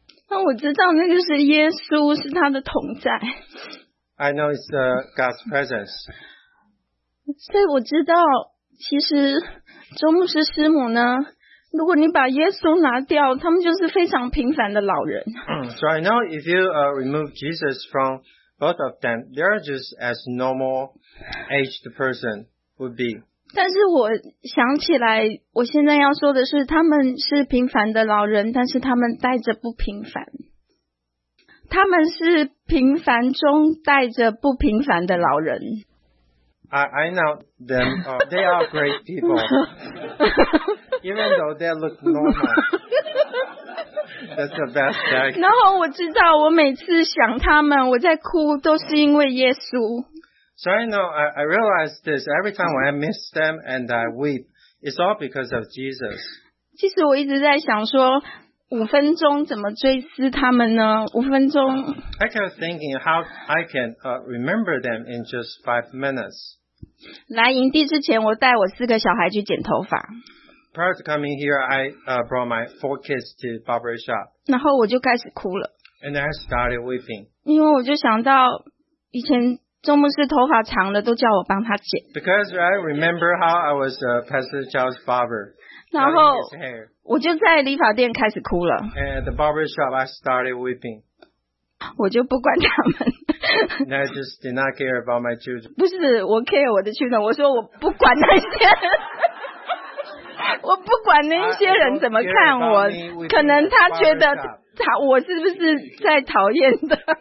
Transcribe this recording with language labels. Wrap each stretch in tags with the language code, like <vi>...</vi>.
<zh>那我知道那个是耶稣，是他的同在。</zh> <en>I know it's God's presence.</en> <zh>所以我知道，其实周牧师师母呢，如果你把耶稣拿掉，他们就是非常平凡的老人。</zh> <en>So I know if you remove Jesus from both of them, they are just as normal aged person. Would be.</en> <zh>但是我想起来，我现在要说的是，他们是平凡的老人，但是他们带着不平凡。他们是平凡中带着不平凡的老人。</zh> <en>I know them. They are great people. Even though they look normal, that's the best thing.</en> <zh>然后我知道，我每次想他们，我在哭，都是因为耶稣。</zh> <en>So I know, I realize this, every time when I miss them and I weep, it's all because of Jesus.</en> <zh>其实我一直在想说，五分钟怎么追思他们呢？五分钟。</zh> <en>I kept thinking how I can remember them in just 5 minutes.</en> <zh>来营地之前，我带我四个小孩去剪头发。</zh> <en>Prior to coming here, I brought my 4 kids to barber shop.</en> <zh>然后我就开始哭了。</zh> <en>And I started weeping.</en> <zh>因为我就想到以前周牧师头发长了，都叫我帮他剪。</zh> <en>Because I remember how I was Pastor Charles' barber.</en> <zh>然后我就在理发店开始哭了。</zh> <en>And at the barber shop, I started weeping.</en> <zh>我就不管他们。</zh> <en>And I just did not care about my children.</en> <zh>不是，我</zh> <en>care</en> <zh>我的</zh> <en>children.</en> <zh>我说我不管那些人，我不管那些人怎么看我，可能他觉得他我是不是在讨厌的。</zh>